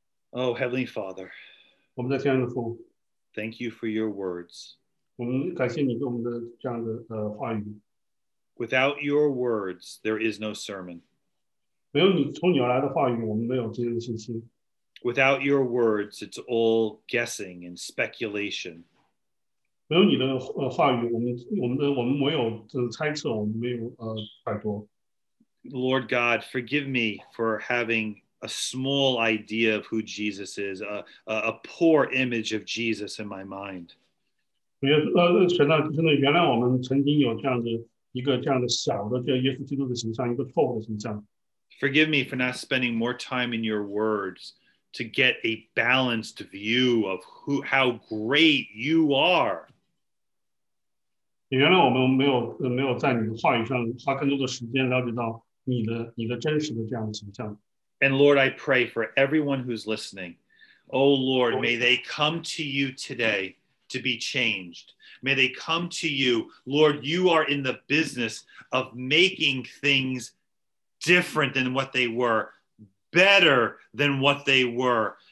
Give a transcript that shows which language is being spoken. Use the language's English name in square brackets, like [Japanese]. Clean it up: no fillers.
[English] Oh, Heavenly Father. [Chinese] 我们的天父。 [English] Thank you for your words. [Chinese] 我们感谢你给我们的这样的话语。 [English] Without your words, there is no sermon. [Chinese] 没有你从你而来的话语，我们没有今天的信息。 [English] Without your words, it's all guessing and speculation. [Chinese] 没有你的话语，我们没有猜测，我们没有揣度。 [English] Lord God, forgive me for having a small idea of who Jesus is, a poor image of Jesus in my mind. [Chinese] 神啊，真的原谅我们曾经有这样的一个这样的小的这耶稣基督的形象，一个错误的形象。 [English] Forgive me for not spending more time in your words to get a balanced view of how great you are. [Chinese] 原来我们没有在你的话语上花更多的时间了解到你的真实的这样的形象。 [English] And Lord, I pray for everyone who's listening. Oh Lord, may they come to you today to be changed. May they come to you. Lord, you are in the business of making things different than what they were, better than what they were.